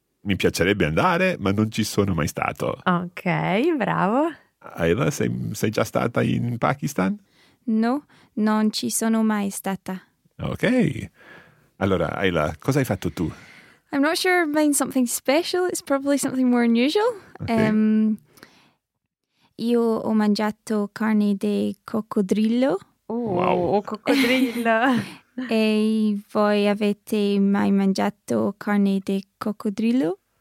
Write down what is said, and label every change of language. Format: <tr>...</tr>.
<it>Mi piacerebbe andare, ma non ci sono mai stato. Ok, bravo. Ayla, sei già stata in Pakistan? No, non ci sono mai stata. Ok. Allora, Ayla, cosa hai fatto tu?</it> <en>I'm not sure if mine's something special. It's probably something more unusual. Okay.</en> <it>Io ho mangiato carne di coccodrillo.</it> <en>Oh, wow. Coccodrillo.</en> <it>E voi avete mai mangiato carne di coccodrillo?</it>